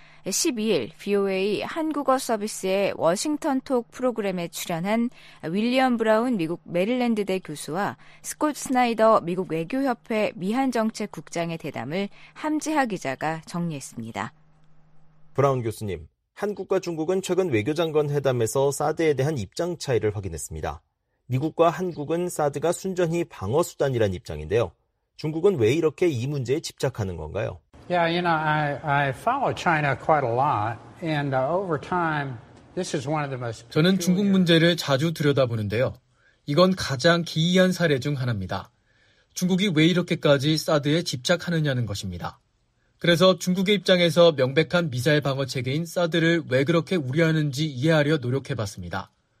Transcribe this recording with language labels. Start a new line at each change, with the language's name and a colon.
Korean: 12일 VOA 한국어 서비스의 워싱턴 톡 프로그램에 출연한 윌리엄 브라운 미국 메릴랜드대 교수와 스콧 스나이더 미국 외교협회 미한정책국장의 대담을 함지하 기자가 정리했습니다. 브라운 교수님, 한국과 중국은 최근 외교장관 회담에서 사드에 대한 입장 차이를 확인했습니다. 미국과 한국은 사드가 순전히 방어수단이란 입장인데요. 중국은 왜 이렇게 이 문제에 집착하는 건가요?
English: Yeah, you know, I follow China quite a lot, and over time, this is one of the most.
Korean: 저는 중국 문제를 자주 들여다보는데요. 이건 가장 기이한 사례 중 하나입니다. 중국이 왜 이렇게까지 사드에 집착하느냐는 것입니다. 그래서 중국의 입장에서 명백한 미사일 방어 체계인 사드를 왜 그렇게 우려하는지 이해하려 노력해봤습니다.